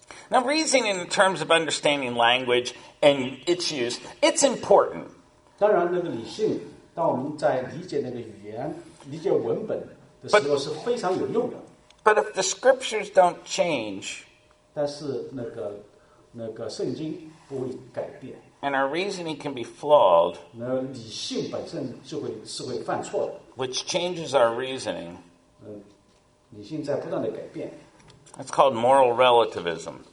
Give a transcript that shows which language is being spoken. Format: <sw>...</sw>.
<en>Now, reasoning in terms of understanding language and its use, it's important.</en> <zh>当然，那个理性，当我们在理解那个语言、理解文本的时候，是非常有用的。</zh> <en>But if the scriptures don't change,</en> <zh>但是那个圣经不会改变。</zh> <en>And our reasoning can be flawed.</en> <zh>那理性本身就会是会犯错的。</zh> <en>Which changes our reasoning.</en> <zh>理性在不断的改变。</zh> <en>That's called moral relativism.</en>